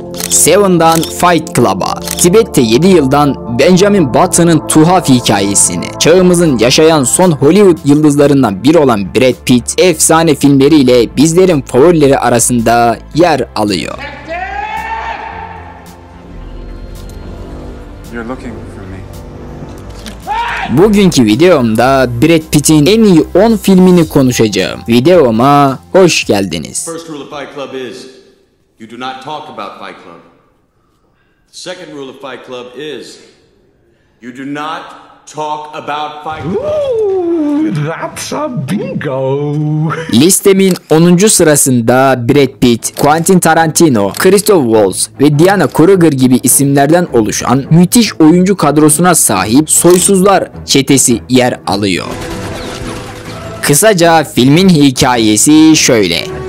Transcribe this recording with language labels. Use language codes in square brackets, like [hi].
[tr] Seven'dan Fight Club'a, Tibet'te 7 yıldan Benjamin Button'ın tuhaf hikayesini, çağımızın yaşayan son Hollywood yıldızlarından biri olan Brad Pitt, efsane filmleriyle bizlerin favorileri arasında yer alıyor. [en] You're looking for me. [tr] Bugünkü videomda Brad Pitt'in en iyi 10 filmini konuşacağım. Videoma hoş geldiniz. [en] First rule of Fight Club is, you do not talk about Fight Club. Second rule of Fight Club is, you do not talk about Fight Club. Ooh, that's a bingo. [tr] Listemin 10. sırasında Brad Pitt, Quentin Tarantino, Christoph Waltz ve Diana Kruger gibi isimlerden oluşan müthiş oyuncu kadrosuna sahip Soysuzlar çetesi yer alıyor. Kısaca filmin hikayesi şöyle.